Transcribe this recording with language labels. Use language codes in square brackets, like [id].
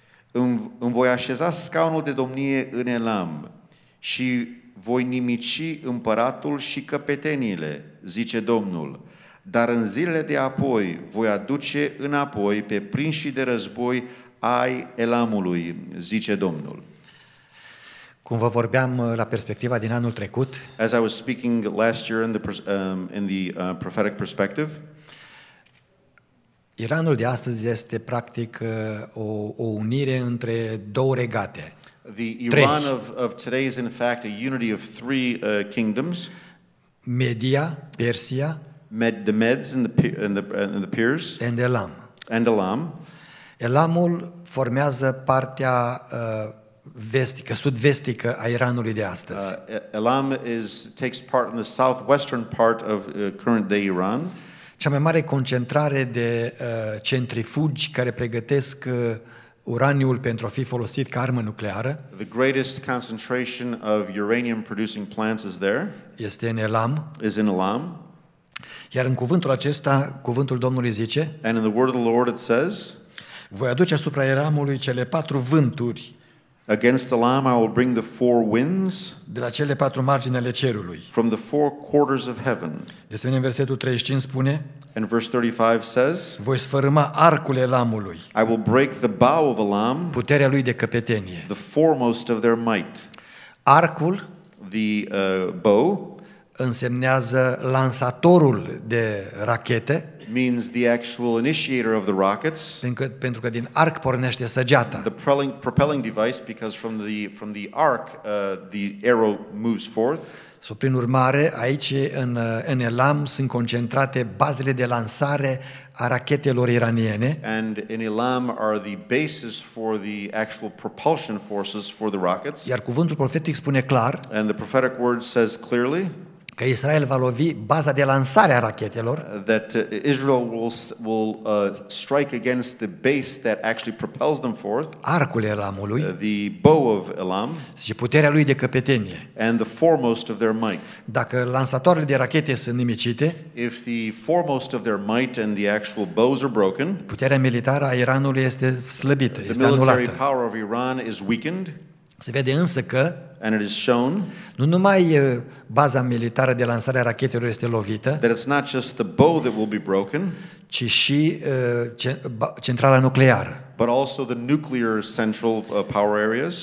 [ro] Îmi voi așeza scaunul de domnie în Elam și voi nimici împăratul și căpetenile, zice Domnul, dar în zilele de apoi voi aduce înapoi pe prinșii de război ai Elamului, zice Domnul. Cum vă vorbeam la perspectiva din anul trecut, [en] as I was speaking last year in the prophetic perspective, [ro] Iranul de astăzi este practic o unire între două regate. [en] The Iran of today is in fact a unity of 3 kingdoms. [ro] Media, Persia, [en] the Medes and the Peers, and Elam. And Elam. [ro] Elamul formează partea vestică, sud-vestică a Iranului de astăzi. [en] Elam takes part in the southwestern part of current day Iran. [ro] Cea mai mare concentrare de centrifugi care pregătesc uraniul pentru a fi folosit ca armă nucleară. [en] The greatest concentration of uranium producing plants is there. [ro] Este în Elam. [en] Is in Elam. [ro] Iar în cuvântul acesta, cuvântul Domnului zice: [en] And in the word of the Lord it says, [ro] voi aduce asupra Elamului cele 4 vânturi. [en] Against the Lamb, I will bring the 4 winds. [ro] De la cele 4 margini ale cerului. [en] From the 4 quarters of heaven. [ro] De asemenea, versetul 35 spune. [en] And verse 35 says. [ro] Voi sfărâma arcul Elamului. [en] I will break the bow of Elam. [ro] Puterea lui de căpetenie. [en] The foremost of their might. [ro] Arcul. [en] The bow. [ro] Însemnează lansatorul de rachete. [en] Means the actual initiator of the rockets. [ro] Pentru că din arc pornește săgeata. [en] The propelling device, because from the arc the arrow moves forth. [ro] So, prin urmare, aici în Elam sunt concentrate bazele de lansare a rachetelor iraniene. [en] And in Elam are the bases for the actual propulsion forces for the rockets. [ro] Iar cuvântul profetic spune clar. [en] And the prophetic word says clearly. [ro] Că Israel va lovi baza de lansare a rachetelor. [en] That Israel will strike against the base that actually propels them forth. [ro] Arcul Elamului. [en] The bow of Elam. [ro] Și puterea lui de căpetenie. [en] And the foremost of their might. [ro] Dacă lansatoarele de rachete sunt nimicite. [en] If the foremost of their might and the actual bows are broken. [ro] Puterea militară a Iranului este slăbită, este anulată. [en] The military power of Iran is weakened. [ro] Se vede însă că [en] and it is shown, [ro] nu numai baza militară de lansare a rachetelor este lovită, [en] that it's not just the bow that will be broken, [ro] ci și centrala nucleară. [en] But also the nuclear central power areas.